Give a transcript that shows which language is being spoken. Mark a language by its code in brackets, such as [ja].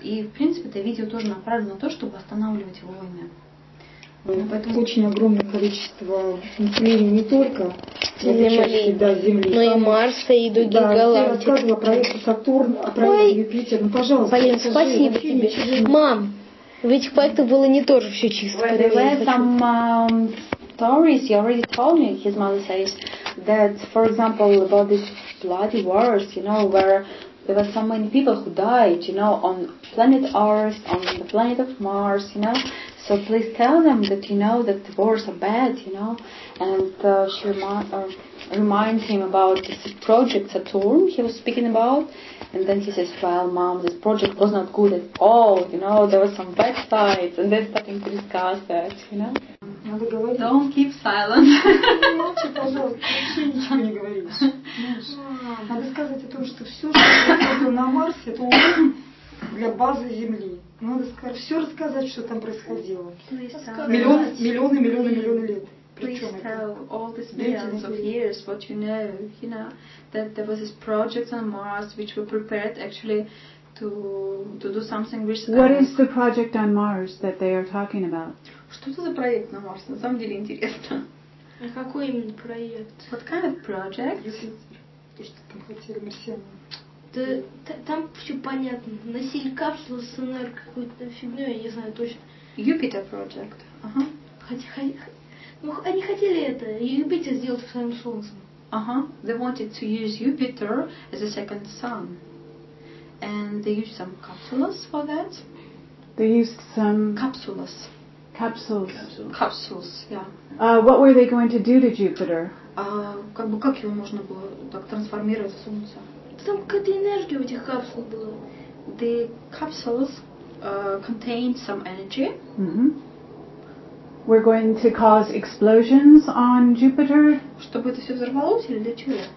[ru] И, в принципе, это видео тоже направлено на то, чтобы останавливать войны. Поэтому... Очень огромное количество людей не только Земли, да, Земли, но и Марса, и других да, галактик. Ты рассказывала про этот Сатурн, о проекте Юпитер. Ну, пожалуйста. Полин, спасибо тебе. Мам! В этих проектах было не тоже все чисто. [en] There were some stories you already told me. His mother says that, for example, about these bloody wars, you know, where there were so many people who died, you know, on planet Earth, on the planet of Mars, you know. So please tell them that you know that the wars are bad, you know. And she reminds him about this project Saturn he was speaking about. And then he says, well, mom, this project was not good at all, you know, there were some bad sides, and they're starting to discuss that, you know. Don't keep silent. [ru] Молчи, пожалуйста, вообще ничего не говоришь. Надо сказать о том, что все, что на Марс, это уже для базы Земли. Надо все рассказать, что там происходило. Миллионы лет. [en] Please tell all these millions of years what you know, that there was this project on Mars which were prepared actually to do something research. What is the project on Mars that they are talking about? [ru] Что это за проект на Марсе? На самом деле интересно. А какой именно проект? [en] What kind of project? [ru] Да, там все понятно. Населька, что СНР какую-то фигню, я не знаю точно. Юпитер Project. Ну, они хотели это, Юпитер сделать своим солнцем. [en] They wanted to use Jupiter as a second sun. And they used some capsules for that. They used some... Capsules, yeah. What were they going to do to Jupiter? [ru] Как его можно было так трансформировать в солнце? Там какая-то энергия у этих капсул была. [en] The capsules contained some energy. Mm-hmm. We're going to cause explosions on Jupiter. [ru] Чтобы это все взорвалось или для чего?